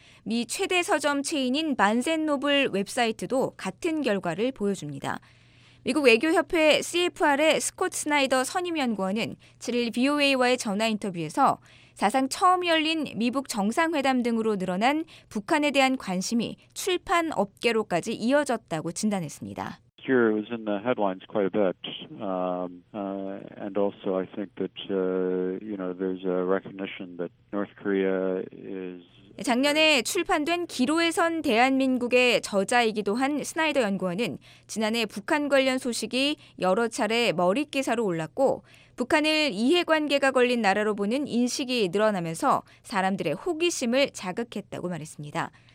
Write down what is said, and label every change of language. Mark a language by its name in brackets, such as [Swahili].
[Korean] 미 최대 서점 체인인 반젠노블 웹사이트도 같은 결과를 보여줍니다. 미국 외교협회 CFR의 스콧 스나이더 선임연구원은 7일 VOA와의 전화 인터뷰에서 사상 처음 열린 미북 정상회담 등으로 늘어난 북한에 대한 관심이 출판 업계로까지 이어졌다고 진단했습니다. [English] Here it was in the headlines quite a bit, and also I think that you know there's a recognition that North Korea is. [Korean] 작년에 출판된 기로에선 대한민국의 저자이기도 한 스나이더 연구원은 지난해 북한 관련 소식이 여러 차례 머릿기사로 올랐고 북한을 이해관계가 걸린 나라로 보는 인식이 늘어나면서 사람들의 호기심을 자극했다고 말했습니다.